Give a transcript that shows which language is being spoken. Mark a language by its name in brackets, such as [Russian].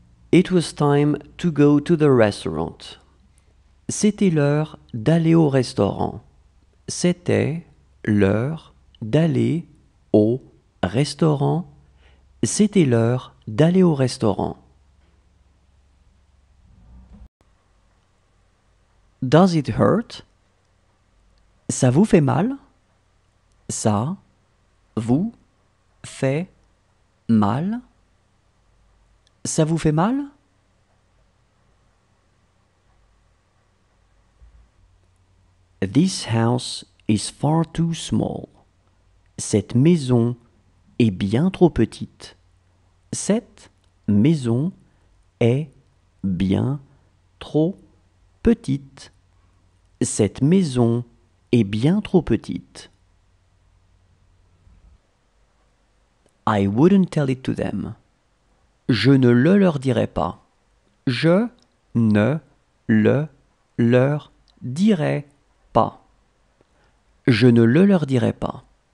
[English] It was time to go to the restaurant. [French] C'était l'heure d'aller au restaurant. C'était l'heure d'aller au restaurant. C'était l'heure d'aller au restaurant. [English] Does it hurt? [French] Ça vous fait mal? Ça vous fait mal? Ça vous fait mal? [English] This house is far too small. [French] Cette maison est bien trop petite. Cette maison est bien trop petite. Cette maison est bien trop petite. [English] I wouldn't tell it to them. [French] Je ne le leur dirai pas. Je ne le leur dirai pas. Je ne le leur dirai pas.